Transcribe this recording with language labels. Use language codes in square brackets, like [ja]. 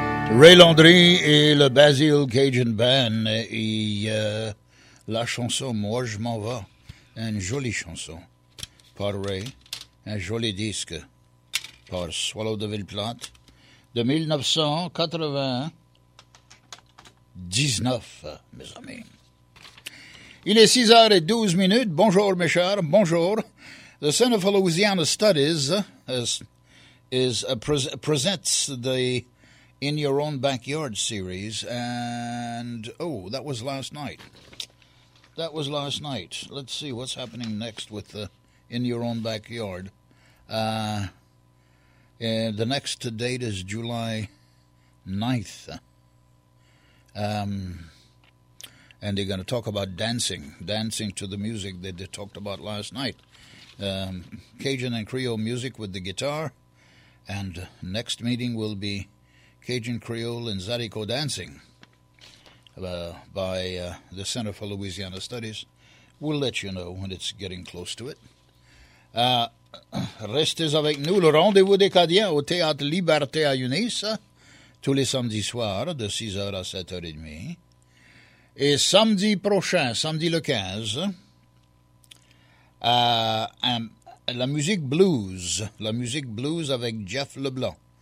[fr] Ray Landry et le Basil Cajun Band et la chanson « Moi, je m'en vais ». Une jolie chanson par Ray. Un joli disque par Swallow de Villeplante de 1999, mes amis. Il est 6h12. Bonjour, mes chers. Bonjour. [en] The Center for Louisiana Studies presents the In Your Own Backyard series, and, oh, that was last night. That was last night. Let's see what's happening next with the In Your Own Backyard. The next date is July 9th. And they're going to talk about dancing to the music that they talked about last night. Cajun and Creole music with the guitar, and next meeting will be Cajun Creole and Zydeco Dancing by the Center for Louisiana Studies. We'll let you know when it's getting close to it. [fr] Restez avec nous. Le rendez-vous des Cadiens au Théâtre Liberté à Eunice tous les samedis soirs de 6h à 7h30. Et samedi prochain, samedi le 15, la musique blues avec Jeff LeBlanc.